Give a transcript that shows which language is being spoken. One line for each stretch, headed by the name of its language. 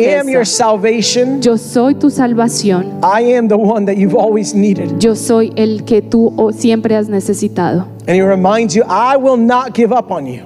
English: I am your salvation.
Spanish: Yo soy tu salvación.
English: I am the one that you've always needed.
Spanish: Yo soy el que tú siempre has necesitado.
English: And He reminds you, I will not give up on you.